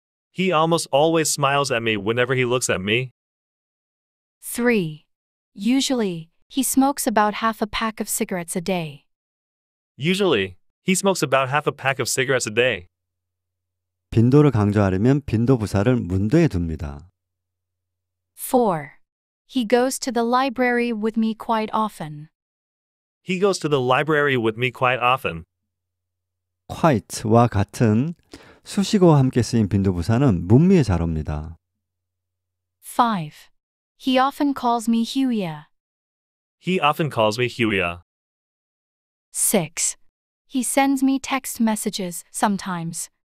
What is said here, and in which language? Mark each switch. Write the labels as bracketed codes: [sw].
[en] He almost always smiles at me whenever he looks at me. 3. Usually, he smokes about half a pack of cigarettes a day. Usually, he smokes about half a pack of cigarettes a day. [ko] 빈도를 강조하려면 빈도부사를 문도에 둡니다. [en] 4. He goes to the library with me quite often. He goes to the library with me quite often. [ko] Quite와 같은 수식어와 함께 쓰인 빈도부사는 문미에 잘 옵니다. [en] 5. He often calls me Huya. He often calls me Huya. 6. He sends me text messages sometimes.